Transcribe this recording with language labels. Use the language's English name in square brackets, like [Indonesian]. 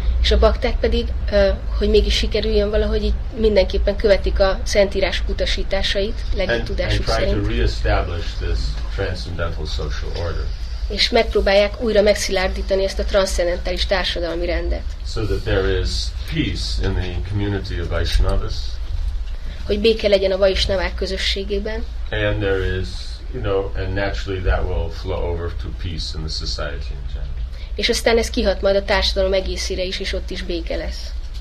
[Hungarian] És a bakták pedig, hogy mégis sikerüljön valahogy, így mindenképpen követik a szentírás utasításait, legjobb tudásuk szerint. [English] And try to reestablish this transcendental social order. [Hungarian] És megpróbálják újra megszilárdítani ezt a transzcendentális társadalmi rendet. [English] So that there is peace in the community of Vaishnavas. [Hungarian] Hogy béke legyen a Vaishnavák közösségében. [English] And there is, you know, and naturally that will flow over to peace in the society in general. [Hungarian] És aztán ez kihat majd a társadalom egészére is, és ott is béke lesz.